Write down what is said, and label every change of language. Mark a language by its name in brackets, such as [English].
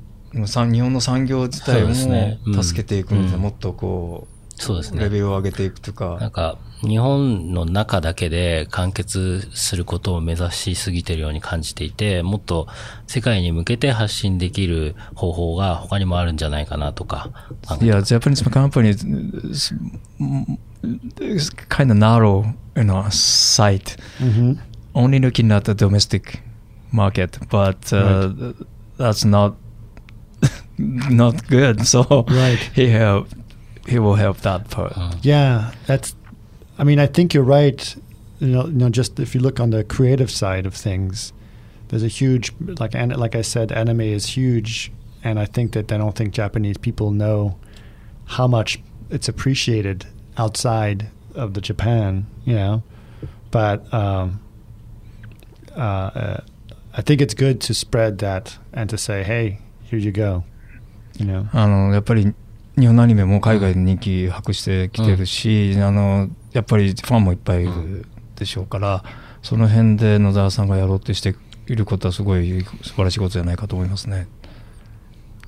[Japanese] 日本の産業自体も助けていくので、もっとこう、そうですね。レベルを上げていくとか。なんか、日本の中だけで完結することを目指しすぎてるように感じていて、もっと世界に向けて発信できる方法が他にもあるんじゃないかなとか。 [English] いや、Japanese company is kind of narrow, you know, sight.、 Mm-hmm. Only looking at the domestic market, but、 right. that's not good. So, right. He will help that part. Yeah, that's, I mean, I think you're right. You know, just if you look on the creative side of things, there's a huge, like I said, anime is huge. And I think that I don't think Japanese people know how much it's appreciated outside of the Japan, you know. But I think it's good to spread that and to say, hey, here you go, you know. [Japanese] やっぱり日本のアニメも海外で人気博してきてるし、うん、やっぱりファンもいっぱいいるでしょうから、うん、その辺で野沢さんがやろうとしていることはすごい素晴らしいことじゃないかと思いますね、うん、